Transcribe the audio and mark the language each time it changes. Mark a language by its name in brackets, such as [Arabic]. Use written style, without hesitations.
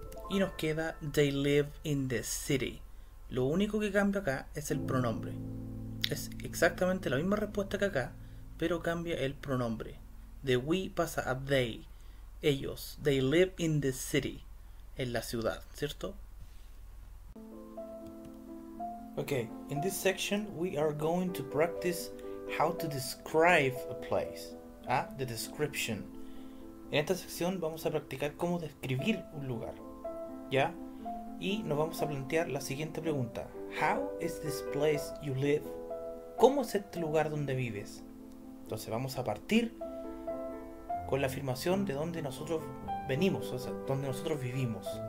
[Spanish] Y nos queda [English] they live in the city. [Spanish] Lo único que cambia acá es el pronombre. Es exactamente la misma respuesta que acá, pero cambia el pronombre. [English] The we [Spanish] pasa a they, ellos. [English] They live in the city, [Spanish] en la ciudad, ¿cierto? [English] Okay, in this section we are going to practice how to describe a place. Ah, the description. [Spanish] En esta sección vamos a practicar cómo describir un lugar. ¿Ya? Y nos vamos a plantear la siguiente pregunta. [English] How is this place you live? [Spanish] ¿Cómo es este lugar donde vives? Entonces vamos a partir con la afirmación de dónde nosotros venimos, o sea, dónde nosotros vivimos.